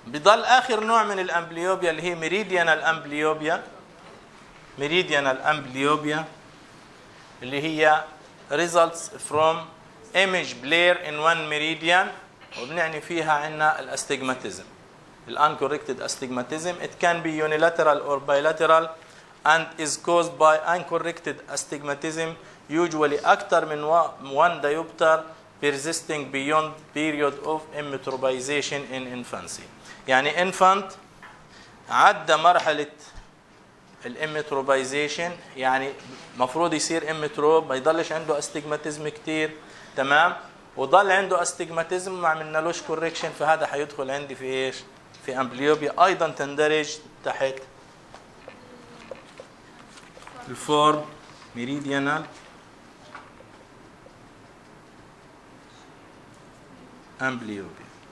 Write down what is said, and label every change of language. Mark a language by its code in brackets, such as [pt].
[ar] بضل اخر نوع من الامبليوبيا اللي هي ميريديانال امبليوبيا، ميريديانال امبليوبيا اللي هي [en] results from image blur in one meridian، [ar] وبنعني فيها عندنا الاستجماتيزم ال [en] uncorrected astigmatism. It can be unilateral or bilateral and is caused by uncorrected astigmatism usually [ar] أكثر من [en] one diopter persisting beyond period of emmetropization in infancy. [ar] يعني infant عدى مرحلة الemmetropization، يعني مفروض يصير emmetrope ما يضلش عنده astigmatism كتير. تمام، وضل عنده astigmatism ما عملنالوش correction، فهذا حيدخل عندي في ايش في امبليوبيا، ايضا تندرج تحت [en] الفورم meridional amblyopia.